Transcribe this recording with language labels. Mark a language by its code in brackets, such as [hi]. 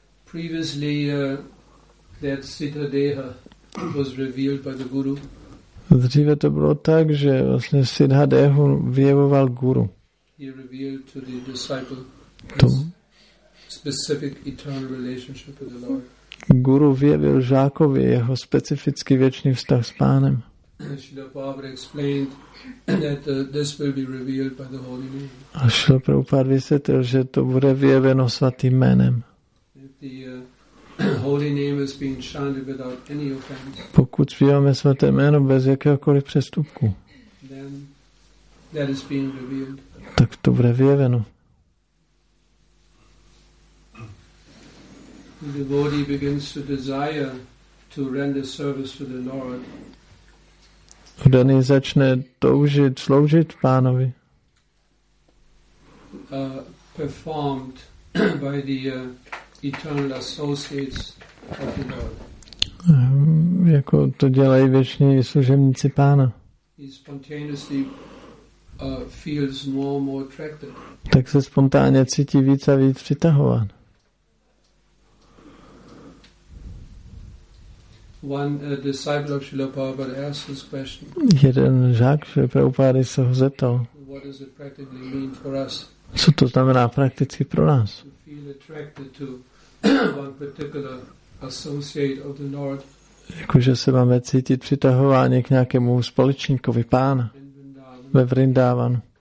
[en] Previously that Siddha Deha was revealed by the Guru. [cs] Dříve to bylo tak, že vlastně Siddha Dehu vyjevoval guru. [en] He revealed to the disciple his specific eternal relationship with the Lord. [cs] Guru vyjevil žákovi jeho specifický věčný vztah s pánem. [en] Srila Prabhupada explained that this will be revealed by the holy name. [cs] A Srila Prabhupada vysvětlil, že to bude vyjeveno svatým jménem. [en] Holy name is being chanted without any offense. [cs] Pokud zpíváme svaté jméno bez jakéhokoliv přestupku, [en] then that is being revealed. [cs] Tak to bude vyjeveno. [en] The devotee begins to desire to render service to the Lord. [cs] Daný začne toužit sloužit pánovi. [en] Performed by the eternal associates of the Lord. [cs] Jako to dělají věční služebníci pána. [en] He spontaneously feels more and more attracted. [cs] Tak se spontánně cítí víc a víc přitahován. [en] One disciple of Srila Prabhupada asked this question. [cs] Jeden žák Srila Prabhupada se ho zeptal. [en] What does it practically mean for us? [cs] Co to znamená prakticky pro nás? [en] To feel attracted to one particular associate of the Lord. [cs] Jakože se máme cítit přitahováni k nějakému společníkovi pána ve Vrindávanu.